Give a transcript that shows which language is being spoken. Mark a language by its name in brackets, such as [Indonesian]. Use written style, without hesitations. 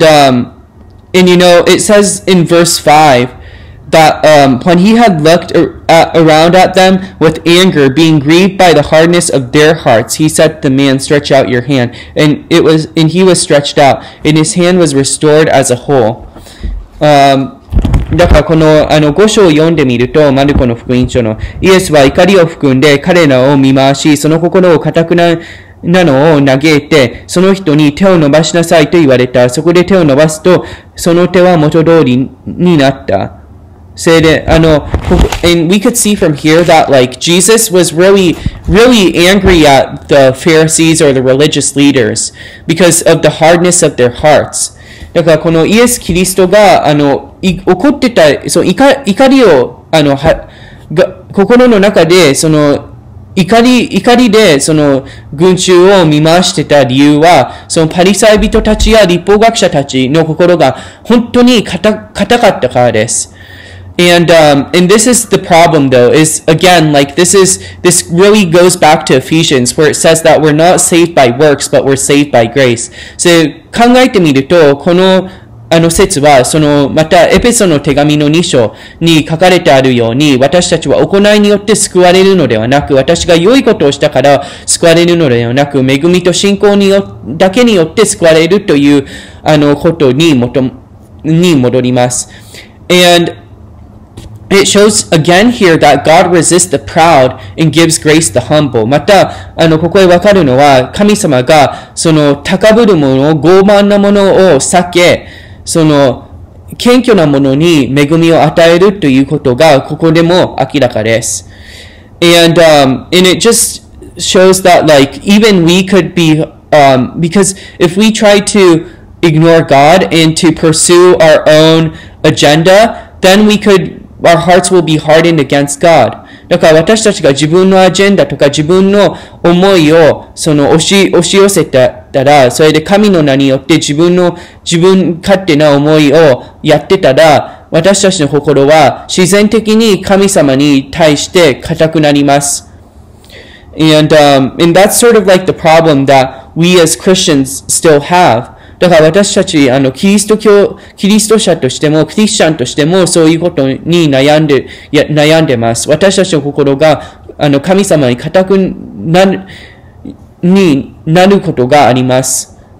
[English] And you know, it says in verse 5,that when he had looked around at them with anger, being grieved by the hardness of their hearts, he said to the man, stretch out your hand. And he was stretched out, and his hand was restored as a whole. [Japanese] だからこの五章を読んでみると、マルコの福音書のイエスは怒りを含んで彼らを見回し、その心を固くなのを嘆いて、その人に手を伸ばしなさいと言われた。そこで手を伸ばすと、その手は元通りになった。 [English] And we could see from here that like Jesus was really, really angry at the Pharisees or the religious leaders because of the hardness of their hearts. [Japanese] だからこのイエス・キリストが怒ってた、その怒りを心の中でその怒りでその群衆を見回してた理由は、そのパリサイ人たちや律法学者たちの心が本当に固かったからです。 [English] And this is the problem though, is again, like this really goes back to Ephesians where it says that we're not saved by works, but we're saved by grace. [Japanese] So, 考えてみると、この説は、そのまたエペソの手紙の2章に書かれてあるように、私たちは行いによって救われるのではなく、私が良いことをしたから救われるのではなく、恵みと信仰によだけによって救われるということに戻ります。 [English] And,It shows again here that God resists the proud and gives grace to the humble. [Japanese] また、ここへわかるのは、神様が、その、高ぶるもの、傲慢なものを避け、その、謙虚なものに恵みを与えるということが、ここでも明らかです。 [English] And it just shows that, like, even we could be, because if we try to ignore God and to pursue our own agenda, then we couldOur hearts will be hardened against God. [Japanese] だから私たちが自分のアジェンダとか自分の思いをその押し寄せたら、それで神の名によって自分勝手な思いをやってたら、私たちの心は自然的に神様に対して固くなります。 [English] And that's sort of like the problem that we as Christians still have. [Japanese] だから私たち、キリスト者としても、クリスチャンとしても、そういうことに悩んでます。私たちの心が、神様に固くになることがあります。